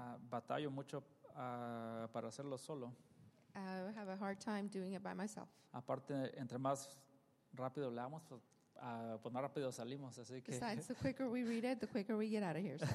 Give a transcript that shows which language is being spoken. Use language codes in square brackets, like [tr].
[es] Batallo mucho para hacerlo solo. [en] I have a hard time doing it by myself. [es] Aparte, entre más rápido leamos, pues más rápido salimos, así que. [en] Besides, the quicker we read it, the quicker we get out of here.